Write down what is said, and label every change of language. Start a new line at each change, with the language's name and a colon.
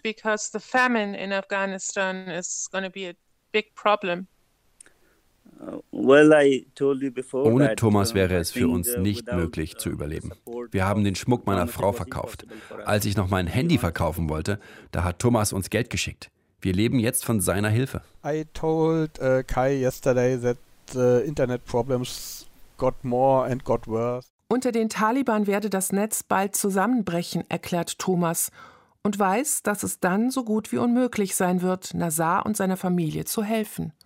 English: Because the famine in Afghanistan is going to be a big problem.
German: Ohne Thomas wäre es für uns nicht möglich zu überleben. Wir haben den Schmuck meiner Frau verkauft. Als ich noch mein Handy verkaufen wollte, da hat Thomas uns Geld geschickt. Wir leben jetzt von seiner Hilfe.
English: I told Kai yesterday that the internet problems got more and got worse.
German: Unter den Taliban werde das Netz bald zusammenbrechen, erklärt Thomas und weiß, dass es dann so gut wie unmöglich sein wird, Nazar und seiner Familie zu helfen.